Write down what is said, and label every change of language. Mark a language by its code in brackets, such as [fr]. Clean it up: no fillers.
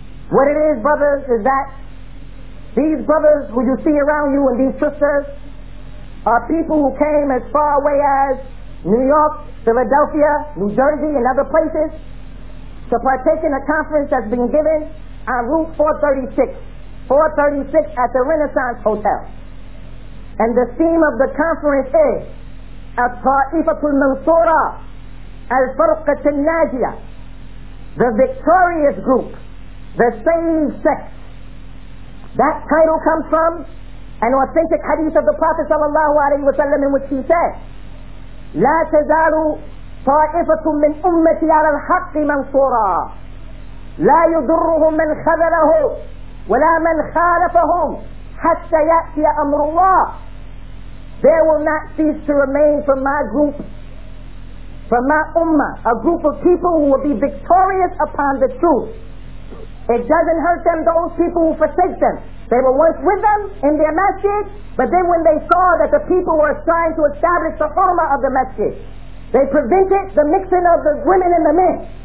[en] What it is, brothers, is that these brothers who you see around you and these sisters are people who came as far away as New York, Philadelphia, New Jersey, and other places to partake in a conference that's been given on Route 436, 436 at the Renaissance Hotel. And the theme of the conference is At-Ta'ifatul Mansura Al-Farqatul Najiyah, the victorious group, the same sect. That title comes from an authentic hadith of the Prophet sallallahu alayhi wa sallam, in which he said, [ar] لا تزال طائفة من أمتي على الحق منصورا لا يضرهم من خذلهم ولا من خالفهم حتى يأتي أمر الله. [en] There will not cease to remain from my group, from my ummah, a group of people who will be victorious upon the truth. It doesn't hurt them, those people who forsake them. They were once with them in their masjid, but then when they saw that the people were trying to establish the hurmah of the masjid, they prevented the mixing of the women and the men.